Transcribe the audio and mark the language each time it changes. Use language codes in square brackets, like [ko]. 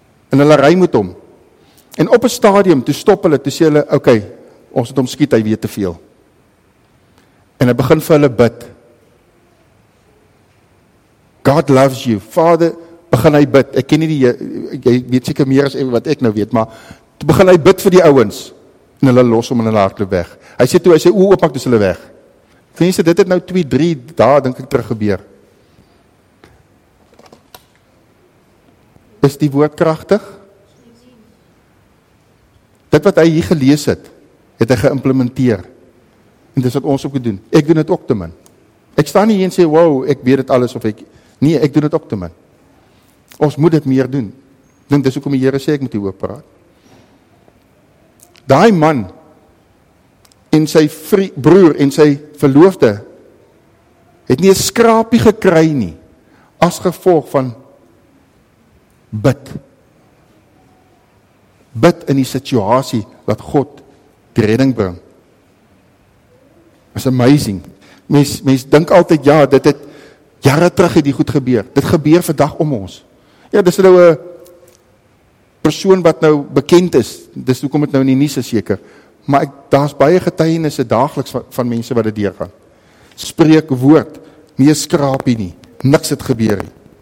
[af] En hulle ry met hom. En op 'n stadium, toe stop hulle, toe sê hulle, oké, okay, ons moet hom skiet, hy weet te veel. En hy begin vir hulle bid. [en] God loves you. [af] Vader, begin hy bid. Ek ken nie die, jy weet seker meer as wat ek nou weet, maar toe begin hy bid vir die ouens. En hulle los hom en hulle hardloop weg. Hy sê toe, hy sê, oe, oopmak, toe is hulle weg. Mense, dit het nou 2-3 dae, dink ek, terug gebeur. Is die woord krachtig? Dit wat hy hier gelees het, het hy geïmplementeer. En dis wat ons ook doen. Ek doen dit ook te min. Ek sta nie hier en sê, wow, ek weet dit alles of ek... Nee, ek doen dit ook te min. Ons moet dit meer doen. Dink dis ook om die Here sê, ek moet hierop praat. Daai man en sy broer en sy verloofde het nie 'n skrapie gekry nie as gevolg van bid. Bid in die situasie wat God die redding bring. [en] It's amazing. [af] Mens dink altyd, ja, dit het jare terug het die goed gebeur. Dit gebeur vandag om ons. Ja, dis nou 'n persoon wat nou bekend is. Dis hoekom dit nou in die nuus is seker. Maar daar's baie getuienisse daagliks van mense wat dit deurgaan. Spreek woord. Nie skrapie nie. Niks het gebeur nie.